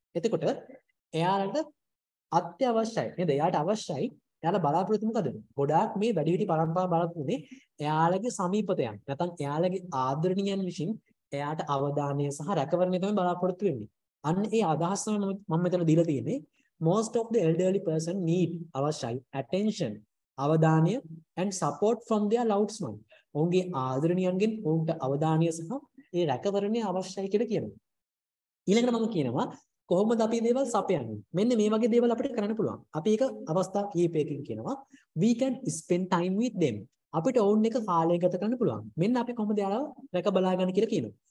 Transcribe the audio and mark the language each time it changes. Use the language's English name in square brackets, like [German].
[Sinhala] එතකොට එයාලට අත්‍යවශ්‍යයි නේද? එයාට අවශ්‍යයි. එයාලා බලාපොරොත්තු මොකද? ගොඩාක් මේ වැඩිහිටි පරම්පරාව බලපුනේ එයාලගේ සමීපතයන් නැත්නම් එයාලගේ ආදරණීයන් විසින් එයාට අවධානය සහ රැකවරණය තමයි බලාපොරොත්තු වෙන්නේ. අන්න ඒ අදහස මම මෙතන දීලා තියෙන්නේ. [English] Most of the elderly person need අවශ්‍යයි attention, අවධානය and support from their loved ones. [Sinhala] ඔවුන්ගේ ආදරණීයන්ගෙන් ඔවුන්ට අවධානය සහ ඒ රැකවරණය අවශ්‍යයි කියලා කියනවා. ඊළඟට මම කියනවා කොහොමද අපි දේවල් සපයන්නේ? මෙන්න මේ වගේ දේවල් අපිට කරන්න පුළුවන්. අපි එක අවස්ථා කීපයකින් කියනවා [English] we can spend time with them. [Sinhala] අපිට ඔවුන් එක කාලය ගත කරන්න පුළුවන්. මෙන්න අපි කොහොමද යාළුවෝ රැක බලා ගන්න කියලා කියනවා.